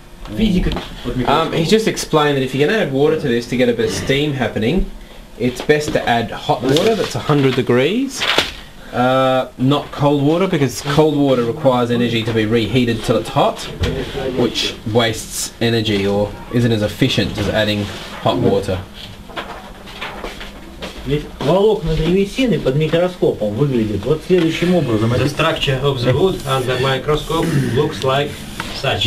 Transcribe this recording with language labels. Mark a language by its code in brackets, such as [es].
[en] He's just explained that if you're going to add water to this to get a bit of steam happening, it's best to add hot water that's 100 degrees, not cold water, because cold water requires energy to be reheated till it's hot, which wastes energy or isn't as efficient as adding hot water. [ru] Ведь волокна древесины под микроскопом выглядят вот следующим образом. [en] The structure of the wood under microscope looks like such.